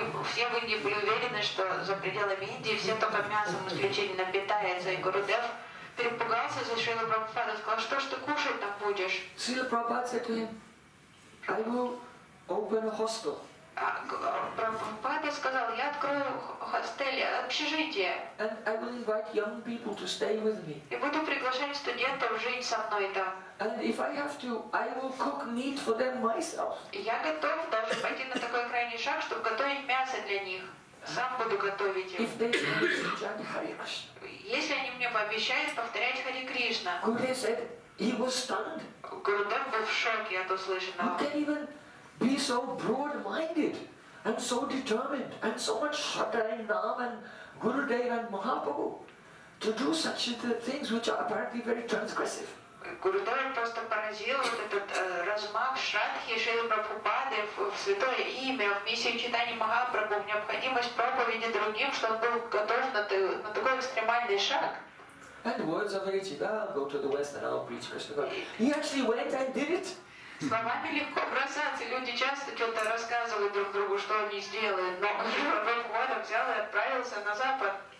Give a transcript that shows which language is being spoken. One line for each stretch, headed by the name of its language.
Russian: Все вы не были уверены, что за пределами Индии все только мясом исключительно питается, и Гурудев перепугался за Шрилу Прабхупаду, сказал, что ж ты кушать там будешь?
English: Шрила Прабхупада said to him, I will open a hostel.
Russian: Прабхупада сказал, я открою хостель, общежитие.
English: And I will invite young people to stay with me.
Russian: И буду приглашать студентов жить со мной там.
English: And if I have to, I will cook meat for them myself.
Russian: Я готов даже пойти на такой крайний шаг, чтобы готовить мясо для них. Сам буду готовить.
English: If they chant Hare Krishna.
Russian: Если они мне пообещают повторять Хари Кришна.
English: Гурудев said he was stunned.
Russian: Гурудев был в шоке от услышанного.
English: Be so broad-minded and so determined and so much Shraddha in Naam and Gurudev and Mahaprabhu to do such things which are apparently very transgressive.
Russian: Gurudev просто поразил вот этот размах Шраддхи Шрилы Прабхупады в святое имя, в миссии читания Махапрабху, в необходимость проповеди другим, что он был готов на такой экстремальный шаг.
English: And words of Ritchie, I'll go to the West and I'll preach Krishna. He actually went and did it.
Russian: Словами легко бросаться, люди часто что-то рассказывают друг другу, что они сделают, но Прабхупада взял и отправился на Запад.